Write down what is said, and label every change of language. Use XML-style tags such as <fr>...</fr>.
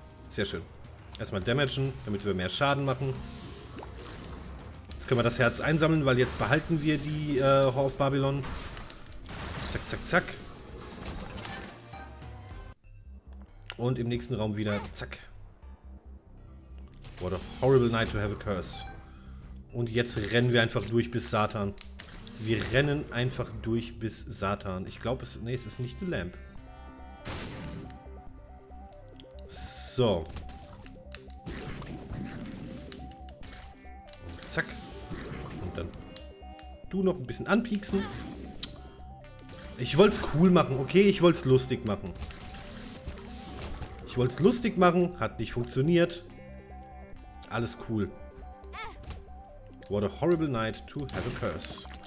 <de>Sehr schön. Erstmal damagen, damit wir mehr Schaden machen. Jetzt können wir das Herz einsammeln, weil jetzt behalten wir die Hall of Babylon. Zack, zack, zack. Und im nächsten Raum wieder zack.</de> <en>What a horrible night to have a curse.</en> <de>Und jetzt rennen wir einfach durch bis Satan. Wir rennen einfach durch bis Satan. Ich glaube, es ist nicht The Lamp. So. du noch ein bisschen anpieksen. Ich wollte es cool machen, okay? Ich wollte es lustig machen. Ich wollte es lustig machen, hat nicht funktioniert. Alles cool.</de> <en>What a horrible night to have a curse.</en>